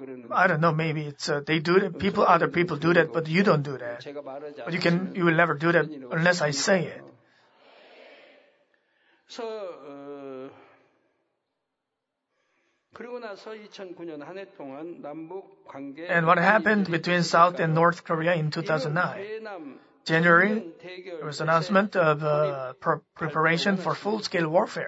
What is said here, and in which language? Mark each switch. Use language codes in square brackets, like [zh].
[en] I don't know, maybe it's they do it, other people do that, but you don't do that. But you will never do that unless I say it. [ko] So, 그리고 나서 2009년 한 해 동안 남북 관계 [en] And what happened between South and North Korea in 2009? January, there was an announcement of preparation for full-scale warfare.